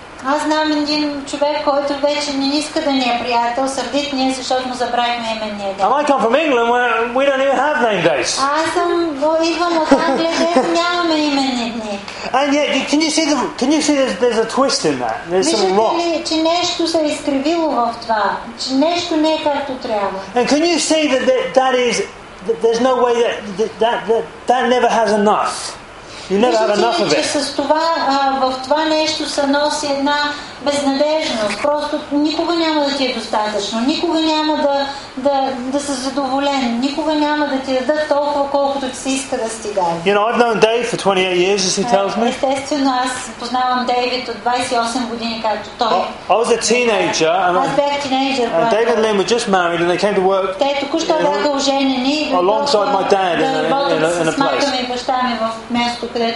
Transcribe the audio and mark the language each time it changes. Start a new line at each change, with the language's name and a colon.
Bulgarian: Аз знам един човек, който вече не иска да ни е приятел, сърдит ни е, защото му забравихме именния ден.
English: And I come from England where we don't even have name days.
Bulgarian: Аз съм идвам от Англия, където нямаме именни дни.
English: And yet, can you see there's a twist in that? There's something wrong.
Bulgarian: Виждате ли, че нещо се е изкривило в това, че нещо не е както трябва.
English: And can you see that is that there's no way that never has enough. You never have enough of it.
Bulgarian: С това, в това нещо се носи една безнадежност. Просто никога няма да ти е достатъчно. Никога няма да се задоволен. Никога няма да ти дадат толкова, колкото ти се иска да стига.
English: You know, I've known Dave for 28 years, as he tells me.
Bulgarian: Естествено, аз познавам Дейвид от 28 години, както той.
English: I was a teenager.
Bulgarian: Аз бях тинейджер.
English: And David and Lynn were just married and they came to work.
Bulgarian: Те току-що бяха оженени.
English: Alongside my dad in a place.
Bulgarian: С майка ми и баща ми в място.